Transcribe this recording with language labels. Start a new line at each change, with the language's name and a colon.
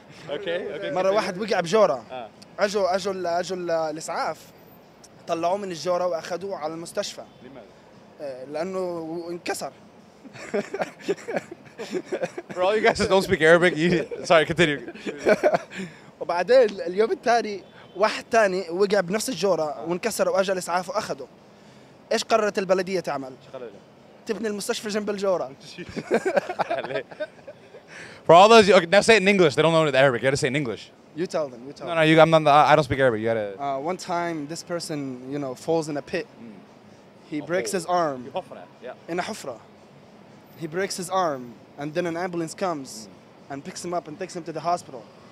Arabic: اوكي مره واحد وقع بجوره اجوا الاسعاف طلعوه من الجوره واخذوه على المستشفى لماذا لانه انكسر
English: for all you guys that don't speak Arabic you... sorry continue
Arabic: وبعدين اليوم الثاني واحد ثاني وقع بنفس الجوره وانكسر واجى الاسعاف واخذه ايش قررت البلديه تعمل تبني المستشفى جنب الجوره
English: For all those, okay, now say it in English. They don't know it in Arabic. You got to say it in English. You tell them. You tell them. No, no. You, I'm not. I don't speak Arabic. You got to. One time, this person, you know, falls in a pit. He breaks his arm. In a hufra. He breaks his arm, and then an ambulance comes and picks him up and takes him to the hospital.